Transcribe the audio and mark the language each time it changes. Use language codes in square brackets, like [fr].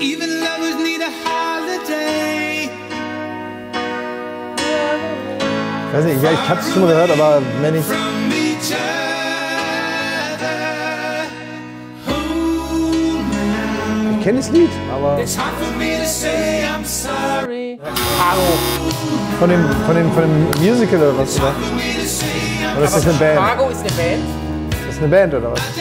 [en] Even lovers need a holiday. [de] Ich weiß nicht, ich hab's schon gehört, aber wenn ich. [en] From each other. [de] Ich kenne das Lied, aber. [en] It's hard for me to say I'm sorry. [de] Hallo. Von dem Musical oder was? Oder ist das eine Band? Chicago ist eine Band. Das ist eine Band oder was?